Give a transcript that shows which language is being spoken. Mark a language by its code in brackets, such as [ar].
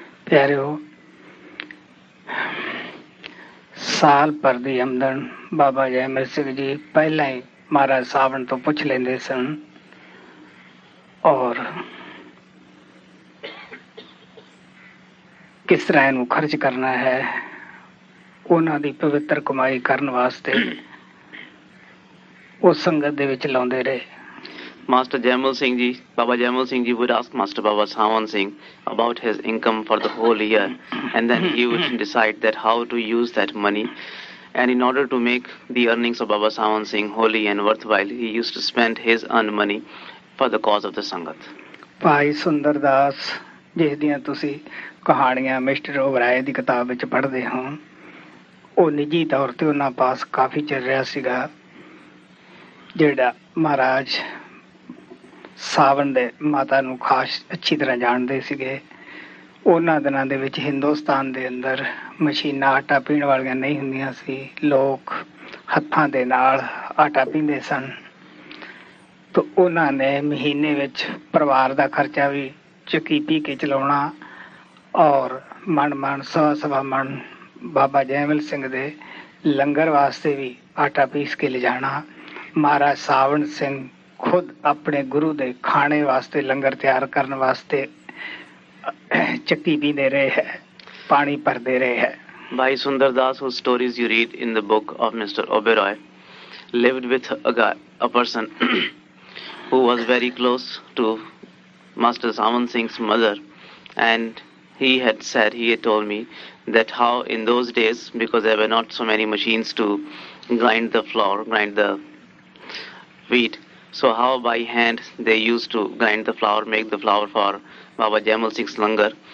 [pa] ਪਿਆਰਿਓ ਸਾਲ ਭਰ ਦੀ ਆਮਦਨ ਬਾਬਾ ਜੈਮਲ ਸਿੰਘ ਜੀ ਪਹਿਲਾਂ ਹੀ ਮਹਾਰਾਜ ਸਾਵਣ ਤੋਂ ਪੁੱਛ ਲੈਂਦੇ ਸਨ ਔਰ ਕਿਸ ਤਰ੍ਹਾਂ ਇਹਨੂੰ ਖਰਚ ਕਰਨਾ ਹੈ ਉਹਨਾਂ ਦੀ ਪਵਿੱਤਰ ਕਮਾਈ ਕਰਨ ਵਾਸਤੇ ਉਹ ਸੰਗਤ ਦੇ ਵਿੱਚ ਲਾਉਂਦੇ ਰਹੇ [en] Master Jaimal Singh Ji, Baba Jaimal Singh Ji would ask Master Baba Sawan Singh about his income for the whole year and then he would decide that how to use that money and in order to make the earnings of Baba Sawan Singh holy and worthwhile, he used to spend his earned money for the cause of the Sangat. [pa] Bhai Sundar Das, jehdiyan tusi kahaniyan Mr. O'Brien di kitab vich padhde ho, oh niji taur te unna paas kaafi chal reha siga, jehda Maharaj ਸਾਵਣ ਦੇ ਮਾਤਾ ਨੂੰ ਖਾਸ ਅੱਛੀ ਤਰ੍ਹਾਂ ਜਾਣਦੇ ਸੀਗੇ ਉਹਨਾਂ ਦਿਨਾਂ ਦੇ ਵਿੱਚ ਹਿੰਦੁਸਤਾਨ ਦੇ ਅੰਦਰ ਮਸ਼ੀਨਾਂ ਆਟਾ ਪੀਣ ਵਾਲੀਆਂ ਨਹੀਂ ਹੁੰਦੀਆਂ ਸੀ ਲੋਕ ਹੱਥਾਂ ਦੇ ਨਾਲ ਆਟਾ ਪੀਂਦੇ ਸਨ ਤਾਂ ਉਹਨਾਂ ਨੇ ਮਹੀਨੇ ਵਿੱਚ ਪਰਿਵਾਰ ਦਾ ਖਰਚਾ ਵੀ ਚੱਕੀ ਪੀ ਕੇ ਚਲਾਉਣਾ ਔਰ ਮਨ ਮਨ ਸਵਾ ਸਵਾ ਮਨ ਬਾਬਾ ਜੈਮਲ ਸਿੰਘ ਦੇ ਲੰਗਰ ਵਾਸਤੇ ਵੀ ਆਟਾ ਪੀਸ ਕੇ ਲਿਜਾਣਾ ਮਹਾਰਾਜ ਸਾਵਣ ਸਿੰਘ ਖੁਦ ਆਪਣੇ ਗੁਰੂ ਦੇ ਖਾਣੇ ਵਾਸਤੇ ਲੰਗਰ ਤਿਆਰ ਕਰਨ ਵਾਸਤੇ ਚੱਕੀ ਪੀਂਦੇ ਰਹੇ ਹੈ ਪਾਣੀ ਭਰਦੇ ਰਹੇ ਹੈ [en] Bhai Sundar Das who stories you read in the book of mister Oberoi lived with a person who was very close to Master Samant Singh's mother, and he had said, he had told me that how in those days, because there were not so many machines to grind the flour, grind the wheat, so how by hand they used to grind the flour, make the flour for Baba Jamal Singh's langar.